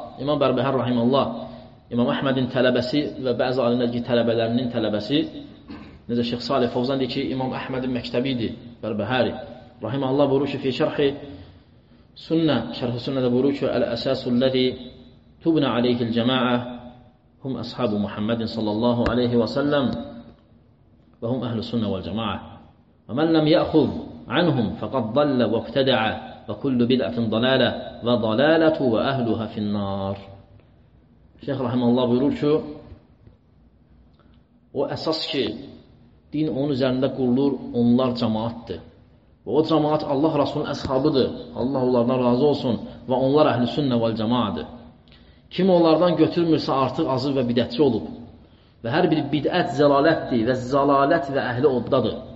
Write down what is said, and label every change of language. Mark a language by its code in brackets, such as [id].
[az] İmam Bərbəhər rahimallah, İmam Əhmədin tələbəsi və bəzi alimlər ki, tələbələrinin tələbəsi, necə Şeyx Salih Fovzan deyir ki, İmam Əhmədin məktəbi idi, Bərbəhəri. [ar] Rahimallah [az] buyurur ki, fi şərhi sünnə, şərhi sünnədə buyurur ki, [ar] əl-əsasu ləzi tübnə aleyhil cəma'a hum əshabu Muhammedin sallallahu aleyhi və səlləm və hum əhlü sünnə vəl cəma'a. Və mən ləm yəxud عنهم فقد ضل وابتدع وكل بدعة ضلالة وضلالة وأهلها في النار. [az] Şeyh rahimehullah buyurur ki, o əsas ki, din onun üzərində qurulur, onlar cemaatdır. Və o cemaat Allah Rasulun əshabıdır. Allah onlardan razı olsun və onlar əhl-i sünnə və cemaatdır. Kim onlardan götürmürsə artıq azır və bidətçi olub. Və hər bir bidət zəlalətdir və zəlalət və əhli oddadır.